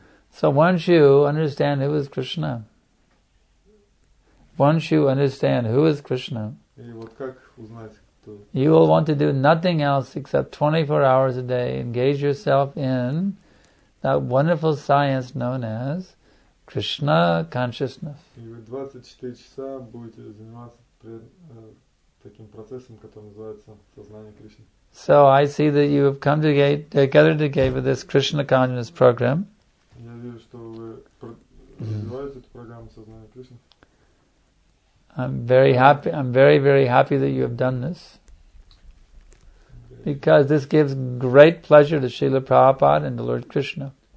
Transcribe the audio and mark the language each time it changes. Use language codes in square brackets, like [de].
[en] So once you understand who is Krishna, once you understand who is Krishna, you will want to do nothing else except 24 hours a day engage yourself in that wonderful science known as Krishna consciousness. [ru] И вы 24 часа будете заниматься таким процессом, который называется сознание Кришны. [en] So I see that you have come together to give this Krishna consciousness program. [ru] Я вижу, что вы развиваете эту программу сознания Кришны. [en] I'm very, very happy that you have done this. Because this gives great pleasure to Srila Prabhupada and to Lord Krishna.